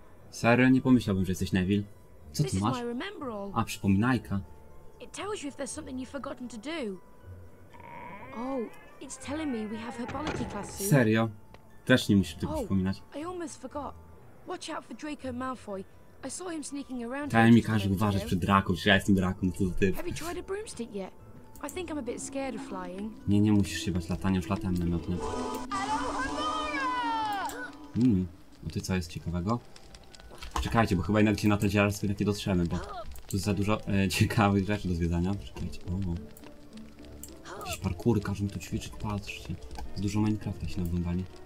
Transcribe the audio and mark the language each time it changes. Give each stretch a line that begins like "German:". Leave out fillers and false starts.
Polish: Serio, nie pomyślałbym, że jesteś Neville. Co ty masz? A, przypominajka.
English: It tells you if there's something you've forgotten to do. Oh, it's telling me we have herbology class soon.
Polish: Serio? Też nie musisz tego przypominać.
English: I almost forgot. Watch out for Draco Malfoy. I saw him sneaking around.
Polish: Tam mi każe uważać przed Draką, czy ja jestem Draką, co za typ.
English: Have you tried a broomstick yet? I think I'm a bit scared of flying.
Polish: Nie, nie musisz się bać latania, już latałem namiotnie. No ty co jest ciekawego? Czekajcie, bo chyba jednak się na te dziarstwo jednak nie dotrzemy, bo tu jest za dużo ciekawych rzeczy do zwiedzania. Czekajcie, o. Jakieś parkury, każą tu ćwiczyć, patrzcie. Jest dużo Minecrafta się nawiązali.